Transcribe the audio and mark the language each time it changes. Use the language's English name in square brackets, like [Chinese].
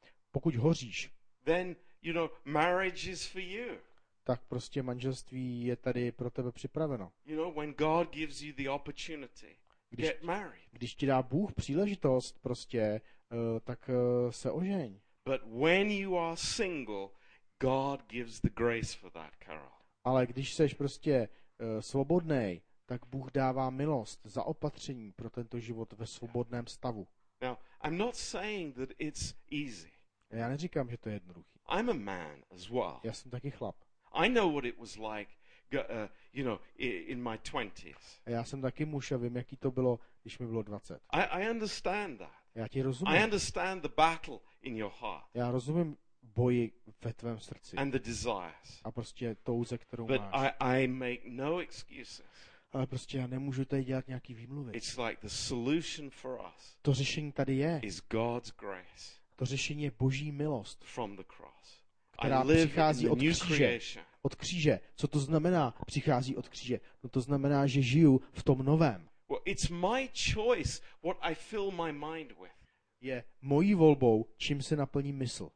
[Czech] pokud hoříš, [English] then, you know, marriage is for you. [Czech] Tak prostě manželství je tady pro tebe připraveno. [English] You know, when God gives you the opportunity, get married. [Czech] Když ti dá Bůh příležitost prostě, tak se ožeň. [English] But when you are single, God gives the grace for that, Carol. [Czech] Ale když seš prostě svobodný, tak Bůh dává milost za opatření pro tento život ve svobodném stavu. [English] Now, I'm not saying that it's easy. [Czech] Já neříkám, že to je jednoduchý. [English] I'm a man as well. [Czech] Já jsem taky chlap. [English] I know what it was like, you know, in my 20s. [Czech] Já jsem taky muž a vím, jaký to bylo, když mi bylo 20. [English] I understand that. [Czech] Já ti rozumím. [English] I understand the battle in your heart. [Czech] Já rozumím boji ve tvém srdci. [English] And the desires. [Czech] A prostě touze, kterou [English] but But I make no excuses. [Czech] Ale prostě já nemůžu tady dělat nějaký výmluvy. [English] It's like the solution for us. [Czech] To řešení tady je. [English] Is God's grace. [Czech] To řešení je Boží milost. [English] From the cross. [Czech] Která přichází od kříže. Od kříže. Co to znamená? Přichází od kříže. No to znamená, že žiju v tom novém. [English] Well, it's my choice what I fill my mind with. [Czech] Je mojí volbou, čím se naplní mysl.